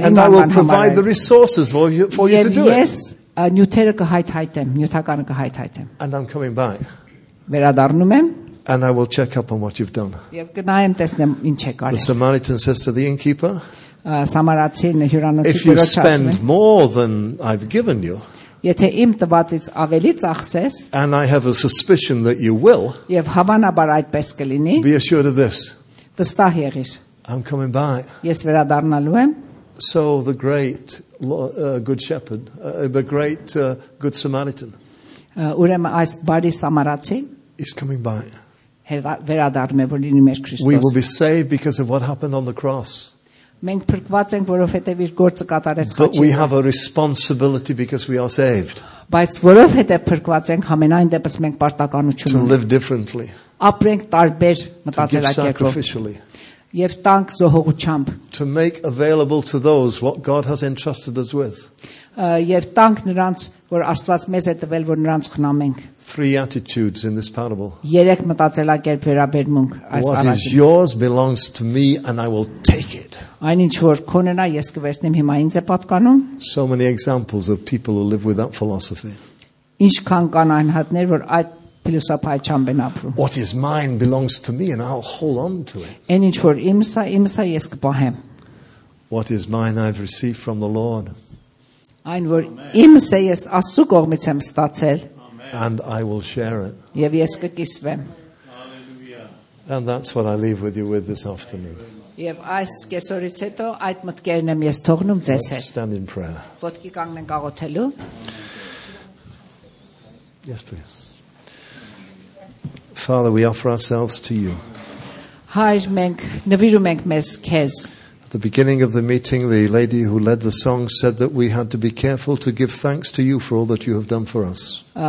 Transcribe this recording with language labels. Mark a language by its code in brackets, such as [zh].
[hy] իմ անվան համար։ [en] And I will provide the resources for you to do it. [hy] Ես նյութերը կհայթայթեմ, նյութականը կհայթայթեմ։ [en] And I'm coming by. [hy] Վերադառնում եմ։ [en] And I will check up on what you've done. [hy] Եվ գնայեմ տեսնեմ ինչ եք արել։ [en] The Samaritan says to the innkeeper. [hy] Սամարացին հյուրանոցի տերը ասում է. [en] If you spend more than I've given you. [hy] Եթե իմ տվածից ավելի ծախսես. [en] And I have a suspicion that you will. [hy] Եվ հավանաբար այդպես կլինի. [en] Be assured of this. [hy] Վստահ եղիր. [en] I'm coming back. [hy] Ես վերադառնալու եմ. [en] So the great good shepherd, the great good Samaritan. [hy] Ուրեմն այս բարի սամարացի [en] is coming by. [hy] Վերադառնում է, որ լինի մեր Քրիստոս։ [en] We will be saved because of what happened on the cross. [hy] Մենք փրկված ենք, որովհետև իր գործը կատարեց [en] Քրիստոս։ We have a responsibility because we are saved. [hy] Բայց որովհետև փրկված ենք, համենայն դեպս մենք պարտականություն ունենք։ [en] To live differently. [hy] Ապրենք տարբեր մտածելակերպով։ Եվ տանք զոհողությամբ։ [en] To make available to those what God has entrusted us with. [hy] Եվ տանք նրանց, որ Աստված մեզ է տվել, որ նրանց խնամենք։ [en] Three attitudes in this parable. [hy] Երեք մտածելակերպ վերաբերմունք այս առաջին։ [en] What is yours belongs to me and I will take it. [hy] Այնինչ որ քոնն է, ես կվերցնեմ, հիմա ինձ է պատկանում։ [en] So many examples of people who live with that philosophy. [hy] Ինչքան կան անհատներ, որ այդ փիլիսոփայությամբ են ապրում։ [en] What is mine belongs to me and I'll hold on to it. [hy] Այնինչ որ իմսա, իմսա ես կպահեմ։ [en] What is mine I've received from the Lord. [hy] Այն որ իմս է, ես Աստծո կողմից եմ ստացել։ [en] And I will share it. [hy] Եվ ես կկիսվեմ։ [en] Hallelujah. And that's what I leave with you with this afternoon. [hy] Եվ այս կեսօրից հետո այդ մտքերն եմ ես թողնում ձեզ հետ։ [en] Stand in prayer. [hy] Պոտքի կանգնենք աղոթելու։ [en] Yes, please. Father, we offer ourselves to you. [hy] Հայր, մենք նվիրում ենք մեզ քեզ։ [en] the beginning of the meeting, the lady who led the song said that we had to be careful to give thanks to you for all that you have done for us.